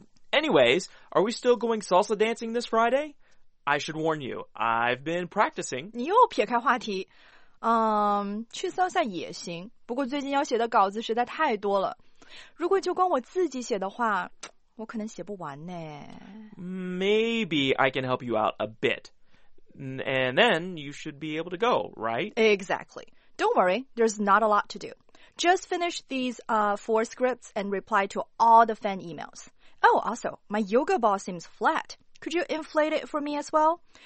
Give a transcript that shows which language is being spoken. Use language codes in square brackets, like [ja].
[en] Anyways, are we still going salsa dancing this Friday? I should warn you, I've been practicing. [zh] 你又撇开话题。去搜索也行，不过最近要写的稿子实在太多了。如果就光我自己写的话，我可能写不完呢。 [en] Maybe I can help you out a bit. And then you should be able to go, right? Exactly. Don't worry, there's not a lot to do. Just finish these four scripts and reply to all the fan emails. Oh, also, my yoga ball seems flat. Could you inflate it for me as well?